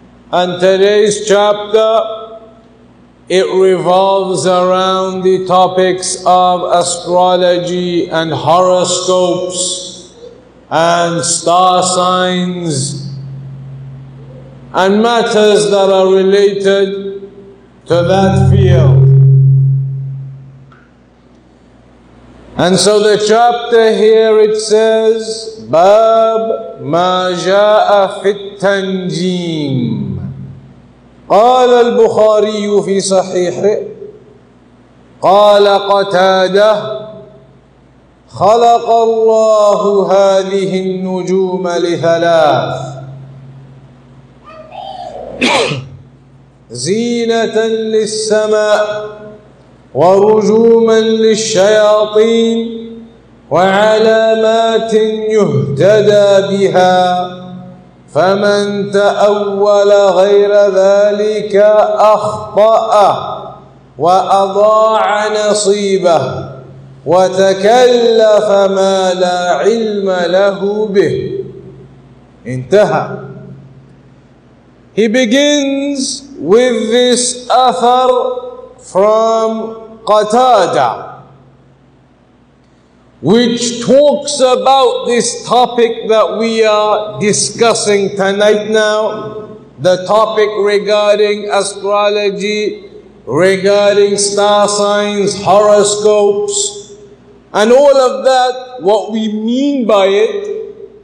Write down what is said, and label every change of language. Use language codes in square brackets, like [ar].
[en] And today's chapter, it revolves around the topics of astrology and horoscopes and star signs and matters that are related to that field. And so the chapter here, it says, [ar] باب ما جاء في التنجيم. قال البخاري في صحيحه قال قتادة خلق الله هذه النجوم لثلاث زينة للسماء ورجوما للشياطين وعلامات يهتدى بها فمن تأول غير ذلك أخطأ وأضاع نصيبه وتكلف ما لا علم له به. انتهى. [en] He begins with this أثر from Qatada, which talks about this topic that we are discussing tonight now, the topic regarding astrology, regarding star signs, horoscopes, and all of that, what we mean by it